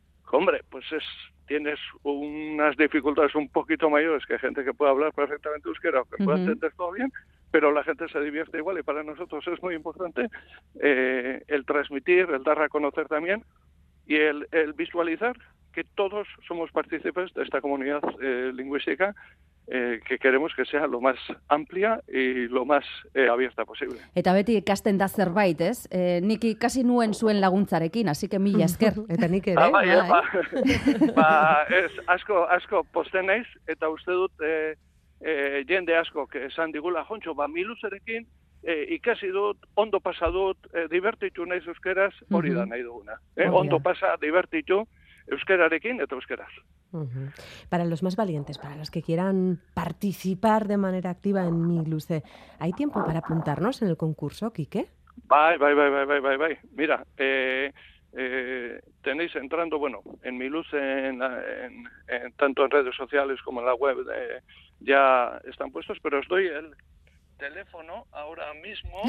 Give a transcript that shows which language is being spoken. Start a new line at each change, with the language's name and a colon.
Spanish: Hombre, pues tienes unas dificultades un poquito mayores que gente que pueda hablar perfectamente euskera o que pueda entender todo bien, pero la gente se divierte igual, y para nosotros es muy importante el transmitir, el dar a conocer también y el visualizar que todos somos partícipes de esta comunidad lingüística que queremos que sea lo más amplia y lo más abierta posible.
Basque: Eta beti ikasten da zerbait, ez? Nik ikasi nuen zuen laguntzarekin,
Spanish: así que
Basque: mila esker. Eta nik ere. Asko posten naiz, eta uste dut jende asko que esan digula, Jontxo, miluzerekin ikasi dut, ondo pasa dut, divertitu naiz euskeraz, hori da nahi duguna. Ondo pasa, divertitu, euskerarekin eta euskeraz.
Spanish: Para los más valientes, para los que quieran participar de manera activa en mi luce, ¿hay tiempo para apuntarnos en el concurso, Quique?
English: Bye.
Spanish: Mira, tenéis entrando, bueno, en mi luce, en tanto en redes sociales como en la web, ya están puestos, pero os doy el teléfono ahora mismo.